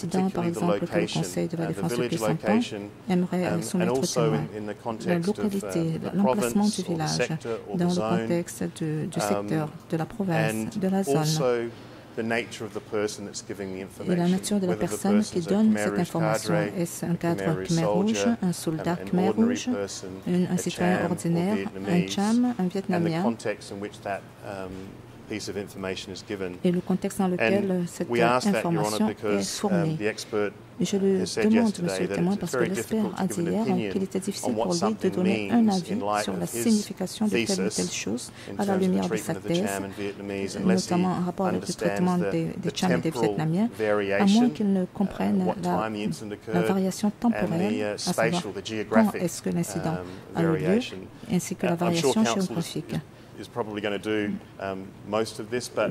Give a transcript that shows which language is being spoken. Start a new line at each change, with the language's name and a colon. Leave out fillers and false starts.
French: par exemple, que le Conseil de la Défense de Cusapin aimerait soumettre témoin, la localité, l'emplacement du village, dans le contexte du secteur, de la province, de la zone.
English: The nature of the person that's giving the information.
French: Et la nature de la personne qui donne cette information, est-ce un cadre Khmer Rouge, un soldat Khmer Rouge, un citoyen ordinaire, un cham, un vietnamien, et le contexte dans lequel cette information est fournie. Et je le demande, monsieur le témoin, parce que l'expert a dit hier qu'il était difficile pour lui de donner un avis sur la signification de telle ou telle chose à la lumière de sa thèse, notamment en rapport avec le traitement des Cham et des Vietnamiens, à moins qu'il ne comprenne la variation temporelle, à savoir quand est-ce que l'incident a eu lieu, ainsi que la variation géographique.
English: Is probably going to do most of this, but